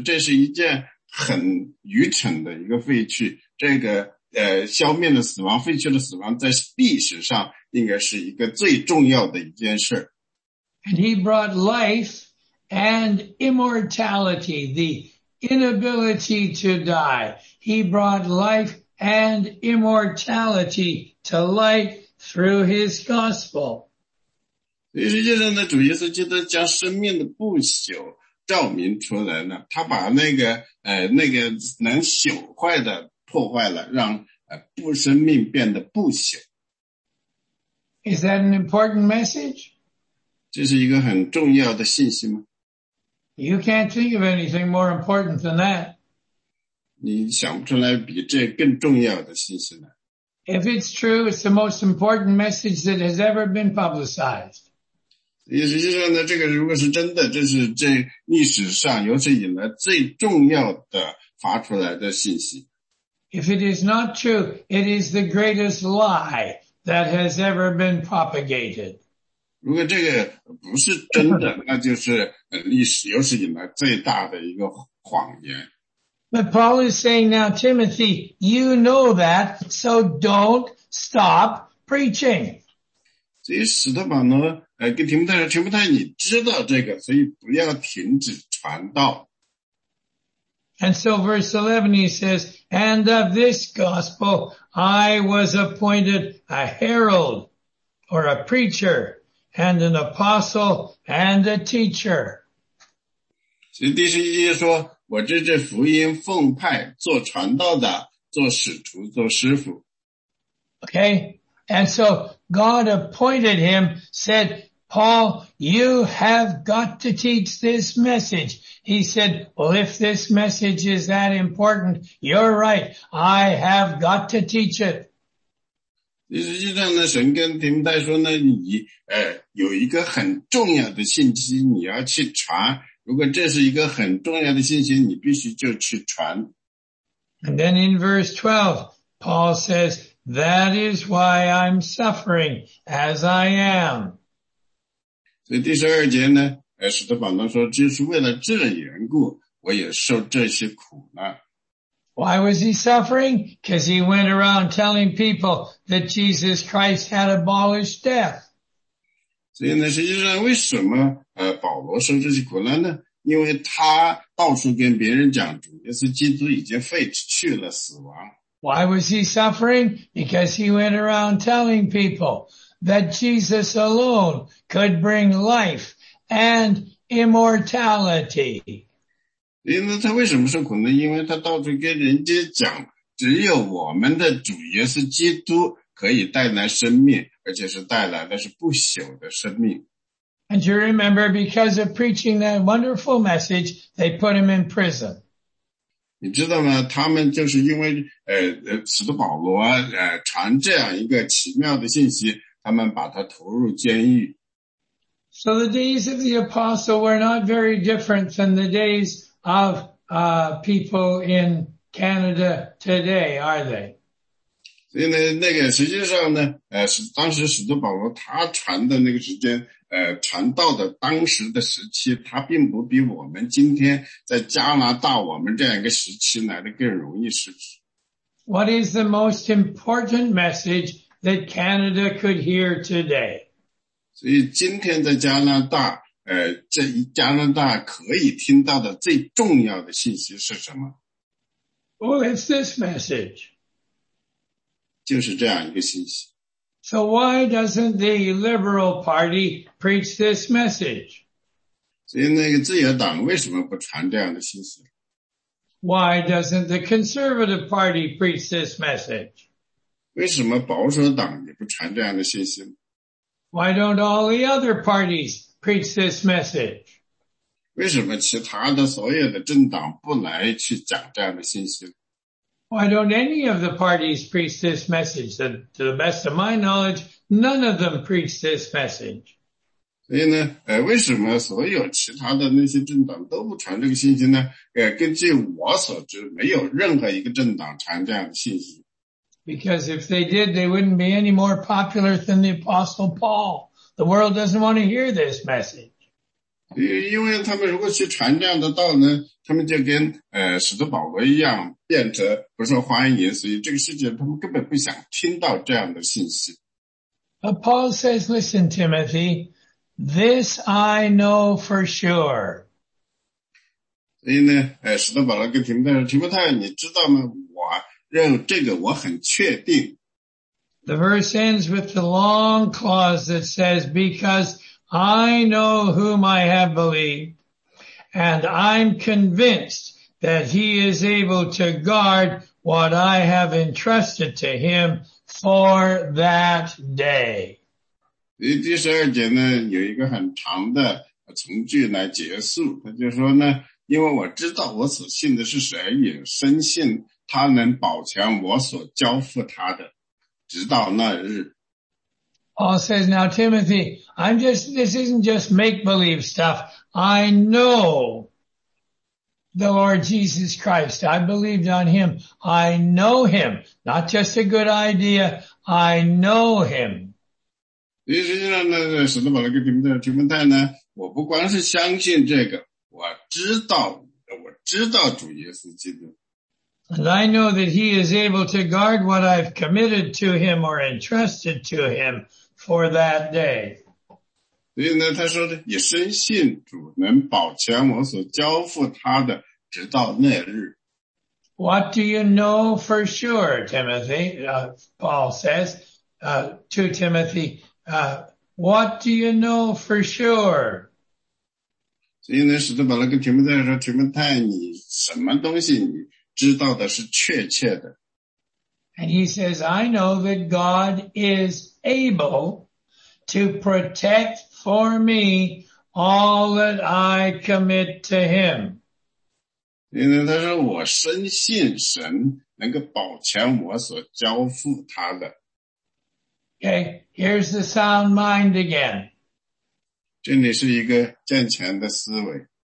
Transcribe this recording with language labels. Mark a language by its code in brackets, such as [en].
[zh] 这是一件很愚蠢的一个废去，这个消灭了死亡，废去了死亡，在历史上应该是一个最重要的一件事。 [en] And he brought life and immortality, the inability to die. He brought life and immortality to light through his gospel. [zh] 实际上呢，主耶稣基督将生命的不朽照明出来了。他把那个能朽坏的破坏了，让不生命变得不朽。 [en] Is that an important message? [zh] 这是一个很重要的信息吗？ [en] You can't think of anything more important than that. [zh] 你想不出来比这更重要的信息呢。 [en] If it's true, it's the most important message that has ever been publicized. [zh] 实际上呢，这个如果是真的，这是这历史上有史以来最重要的发出来的信息。 [en] If it is not true, it is the greatest lie that has ever been propagated. [zh] 如果这个不是真的，那就是历史有史以来最大的一个谎言。 [en] But Paul is saying now, Timothy, you know that, so don't stop preaching. [zh] 所以使徒保罗跟提摩太说，提摩太，你知道这个，所以不要停止传道。 [en] And so verse 11 he says, and of this gospel I was appointed a herald or a preacher. And an apostle and a teacher. [zh] 所以第十一节说，我这是福音奉派做传道的，做使徒，做师父。 [en] Okay, and so God appointed him, said, Paul, you have got to teach this message. He said, well, if this message is that important, you're right, I have got to teach it. [zh] 实际上呢，神跟提摩太说呢，你有一个很重要的信息你要去传，如果这是一个很重要的信息，你必须就去传。 [en] And then in verse 12 Paul says, that is why I'm suffering as I am. [zh] 所以第十二节呢，使徒保罗说，就是为了这缘故，我也受这些苦了。 [en] Why was he suffering? Because he went around telling people that Jesus Christ had abolished death. [zh] 所以呢，实际上为什么保罗受这些苦难呢？因为他到处跟别人讲主耶稣基督已经废去了死亡。 [en] Why was he suffering? Because he went around telling people that Jesus alone could bring life and immortality. [zh] 因为他为什么受苦呢？因为他到处跟人家讲，只有我们的主耶稣基督可以带来生命，而且是带来的是不朽的生命。 [en] And you remember, because of preaching that wonderful message, they put him in prison. [zh] 你知道吗？他们就是因为使徒保罗传这样一个奇妙的信息，他们把他投入监狱。 [en] So the days of the apostle were not very different than the days of people in Canada today, are they? [zh] 所以呢，那个实际上呢，当时使徒保罗他传的那个时间，传道的当时的时期，他并不比我们今天在加拿大我们这样一个时期来的更容易实施。 [en] What is the most important message that Canada could hear today? [zh] 所以今天在加拿大，这加拿大可以听到的最重要的信息是什么？ [en] Well, it's this message. [zh] 就是这样一个信息。 [en] So why doesn't the Liberal Party preach this message? [zh] 所以那个自由党为什么不传这样的信息？ [en] Why doesn't the Conservative Party preach this message? [zh] 为什么保守党也不传这样的信息？ [en] Why don't all the other parties preach this message? [zh] 为什么其他的所有的政党不来去讲这样的信息？ [en] Why don't any of the parties preach this message? To the best of my knowledge, none of them preach this message. [zh] 所以呢，为什么所有其他的那些政党都不传这个信息呢？根据我所知，没有任何一个政党传这样的信息。 [en] Because if they did, they wouldn't be any more popular than the Apostle Paul. The world doesn't want to hear this message. [zh] 因为他们如果去传这样的道呢，他们就跟使徒保罗一样，变得不受欢迎，所以这个世界他们根本不想听到这样的信息。 [en] But Paul says, listen, Timothy, this I know for sure. [zh] 所以呢，使徒保罗跟提摩太说，提摩太，你知道吗？这个我很确定。 [en] The verse ends with the long clause that says, because I know whom I have believed, and I'm convinced that he is able to guard what I have entrusted to him for that day. [zh] 第十二节呢，有一个很长的从句来结束，他就说呢，因为我知道我所信的是谁，也深信他能保全我所交付他的，直到那日。 [en] Paul says, now Timothy, this isn't just make-believe stuff. I know the Lord Jesus Christ. I believed on him. I know him. Not just a good idea. I know him. [zh] 实际上呢，使徒保罗跟提摩太呢，我不光是相信这个，我知道主耶稣基督。 [en] And I know that he is able to guard what I've committed to him or entrusted to him for that day. [zh] 所以呢，他说的，也深信主能保全我所交付他的，直到那日。 [en] What do you know for sure, Timothy? Paul says to Timothy, what do you know for sure? [zh] 所以呢，使徒保罗跟提摩太说，提摩太，你什么东西你知道的是确切的。 [en] And he says, I know that God is able to protect for me all that I commit to him. [zh] 因为他说我深信神能够保全我所交付他的。 [en] Okay, here's the sound mind again. [zh] 这里是一个健全的思维。